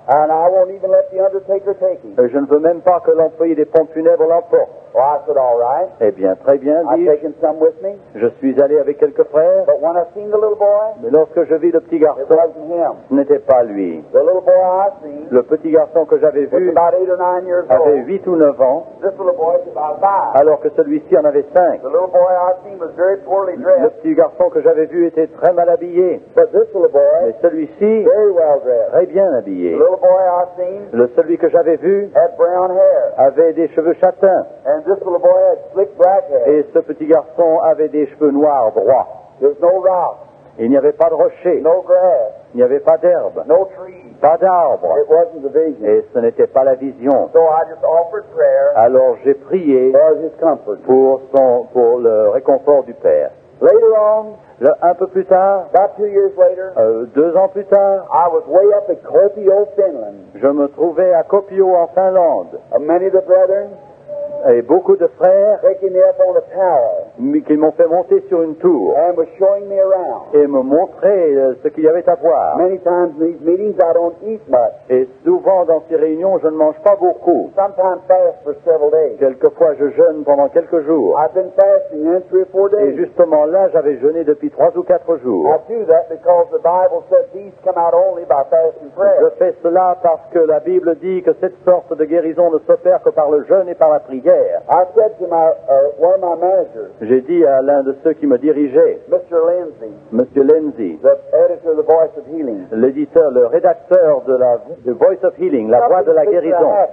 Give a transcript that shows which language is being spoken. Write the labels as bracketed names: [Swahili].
[English] And I won't even let the undertaker take him. [French] Je ne veux même pas que l'employé des pompes funèbres l'emporte. [English] Well, I said, all right. [French] Eh bien, très bien, dis-je. [English] I've taken some with me. [French] Je suis allé avec quelques frères. [English] But when I seen the little boy, [French] mais lorsque je vis le petit garçon, [English] it wasn't him. [French] Ce n'était pas lui. [English] The little boy I seen, [French] le petit garçon que j'avais vu, [English] was about 8 or 9 years old. [French] Avait 8 ou 9 ans. [English] This little boy was about 5. [French] Alors que celui-ci en avait 5. [English] The little boy I seen was very poorly dressed. [French] Le petit garçon que j'avais vu était très mal habillé. [English] But this little boy, [French] mais celui-ci, [English] very well dressed. [French] Très bien habillé. [English] The little boy I seen, [French] le celui que j'avais vu, [English] had brown hair. [French] Avait des cheveux châtains. [English] And this little boy had slick black hair. [French] Et ce petit garçon avait des cheveux noirs droits. [English] There's no rock. [French] Il n'y avait pas de rocher. [English] No grass. [French] Il n'y avait pas d'herbe. [English] No trees. [French] Pas d'arbres. [English] It wasn't the vision. [French] Et ce n'était pas la vision. [English] So I just offered prayer. [French] Alors j'ai prié [English] for his comfort. [French] Pour le réconfort du père. [English] Later on. [French] Un peu plus tard, [English] about 2 years later, [French] 2 ans plus tard, [English] I was way up at Kopio, Finland. [French] Je me trouvais à Kopio en Finlande. [English] Many of the brethren. [French] Et beaucoup de frères qui m'ont fait monter sur une tour [English] and were showing me around. [French] Et me montraient ce qu'il y avait à voir. [English] Many times in these meetings I don't eat much. [French] Et souvent dans ces réunions, je ne mange pas beaucoup. [English] Sometimes fast for several days. [French] Quelquefois, je jeûne pendant quelques jours. [English] I've been fasting in 3 or 4 days. [French] Et justement là, j'avais jeûné depuis 3 ou 4 jours. [English] I do that because the Bible says these come out only by fasting prayer. [French] Je fais cela parce que la Bible dit que cette sorte de guérison ne s'opère que par le jeûne et par la prière. [English] I said to one of my managers. [French] J'ai dit à l'un de ceux qui me dirigeaient. [English] Mr. Lindsay. The editor of the Voice of Healing. [French] L'éditeur, le rédacteur de la de Voice of Healing, la voix de la guérison.